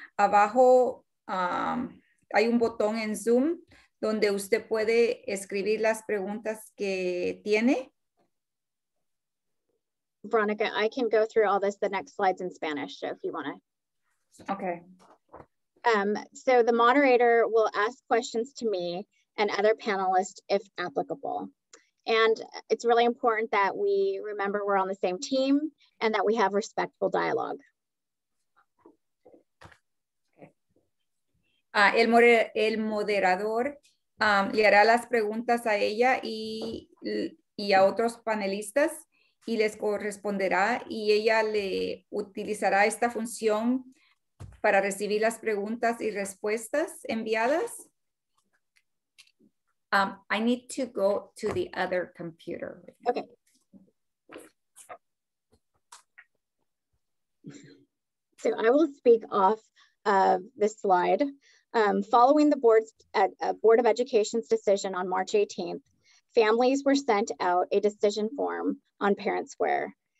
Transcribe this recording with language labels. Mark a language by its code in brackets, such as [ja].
[es] Abajo hay un botón en Zoom donde usted puede escribir las preguntas que tiene. [en] Veronica, I can go through all this, the next slides in Spanish, so if you want to. Okay. So the moderator will ask questions to me and other panelists if applicable. And it's really important that we remember we're on the same team and that we have respectful dialogue. [es] El moderador le hará las preguntas a ella y a otros panelistas y les corresponderá y ella le utilizará esta función para recibir las preguntas y respuestas enviadas. [en] I need to go to the other computer. Okay. So I will speak off of this slide. Following the Board of Education's decision on March 18th, families were sent out a decision form on Parent Square.